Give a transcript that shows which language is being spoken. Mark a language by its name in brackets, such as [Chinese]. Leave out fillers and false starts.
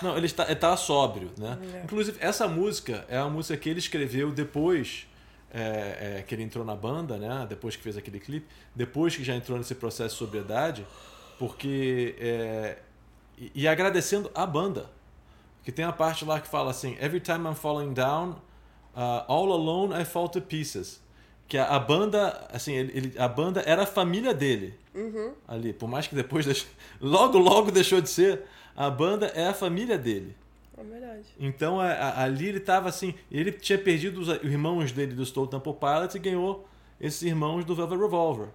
[Portuguese] Não, ele estava sóbrio, né? É. Inclusive, essa música é a música que ele escreveu depois que ele entrou na banda, né? Depois que fez aquele clipe. Depois que já entrou nesse processo de sobriedade. Porque... E agradecendo a banda. Que tem a parte lá que fala assim... [English] Every time I'm falling down, all alone I fall to pieces. [Portuguese] Que a banda, assim, a banda era a família dele. Uhum. Ali, por mais que depois logo deixou de ser, a banda é a família dele. É verdade. Então, ali ele tava assim, ele tinha perdido os irmãos dele do Stone Temple Pilots e ganhou esses irmãos do Velvet Revolver,